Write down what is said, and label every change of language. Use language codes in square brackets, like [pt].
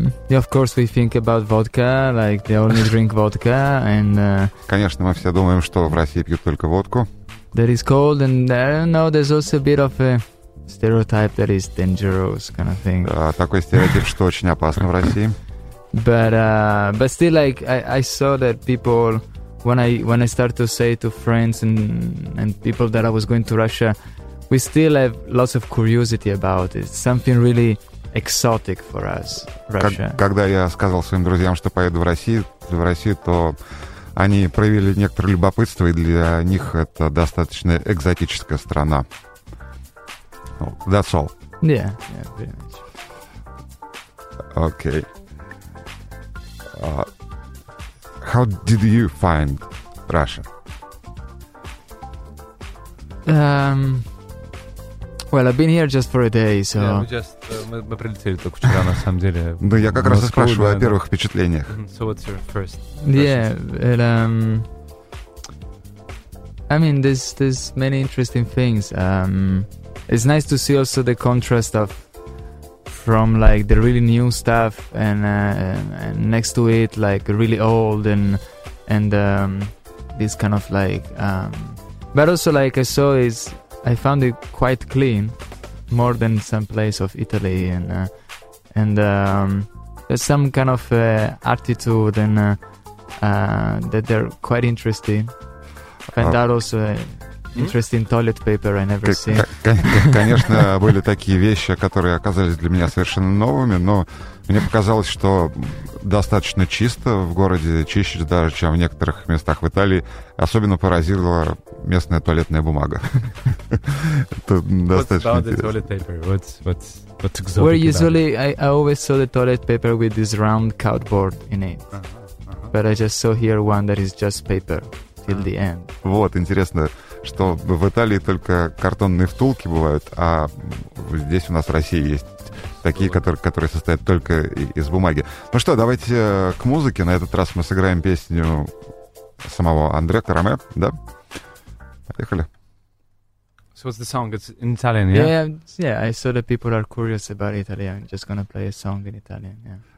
[en] Of course, we think about vodka, like they only drink vodka. And [ru] конечно, мы все думаем, что в России пьют только водку. [en] There is cold, and I don't know. There's also a bit of a stereotype that is dangerous kind of thing. [ru] Такой стереотип, что очень опасно в России. [en] But still, like I saw that people when I start to say to friends and people that I was going to Russia. We still have lots of curiosity about it. Something really exotic for us, Russia. [ru] Когда я сказал своим друзьям, что поеду в Россию, то они проявили некоторое любопытство, и для них это достаточно экзотическая страна. [en] That's all. Yeah, pretty much. Okay. How did you find Russia? Well, I've been here just for a day, so... [ru] Yeah, мы прилетели только вчера, на самом деле. Ну, я как раз и спрашиваю о первых впечатлениях. [en] So what's your first impression? Yeah, I mean, there's many interesting things. It's nice to see also the contrast of... from, like, the really new stuff and next to it, like, really old and this kind of, like... but also, like, I saw is... I found it quite clean, more than some place of Italy, and there's some kind of attitude and that they're quite interesting. And that also interesting toilet paper I never seen. [ru] Конечно, были такие вещи, которые оказались для меня совершенно новыми, но мне показалось, что достаточно чисто в городе, чище даже, чем в некоторых местах в Италии. Особенно поразила местная туалетная бумага. Тут достаточно интересно. [en] What's exotic about it? Well, usually I always saw the toilet paper with this round cardboard in it. But I just saw here one that is just paper till the end. [ru] Вот, интересно, что в Италии только картонные втулки бывают, а здесь у нас в России есть такие, которые состоят только из бумаги. Ну что, давайте к музыке. На этот раз мы сыграем песню самого Андреа Караме, да? Поехали. [en] So what's the song? It's in Italian, yeah? Yeah, I saw that people are curious about Italy. I'm just gonna play a song in Italian, yeah.